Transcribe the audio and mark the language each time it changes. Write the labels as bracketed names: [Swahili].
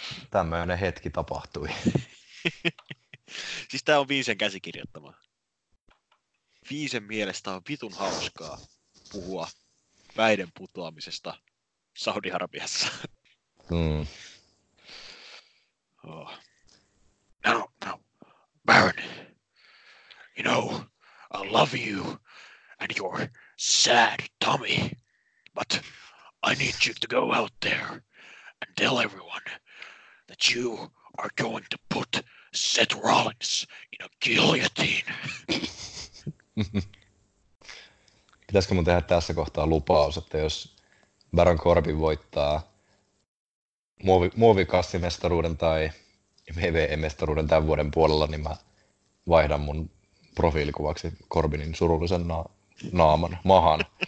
[Finnish] Tämmöinen hetki tapahtui. Siis tää on Viisen käsikirjoittama. Viisen mielestä on vitun hauskaa puhua väiden putoamisesta Saudi-Arabiassa. [English] No, Baron, you know, I love you and your sad tummy. but I need you to go out there and tell everyone that you are going to put Seth Rollins in a guillotine. [Finnish] Pitäisikö mun tehdä tässä kohtaa lupaus, että jos Baron Corbin voittaa muovikassimestaruuden tai WWE-mestaruuden tämän vuoden puolella, niin mä vaihdan mun profiilikuvaksi Corbinin surullisen naaman mahan.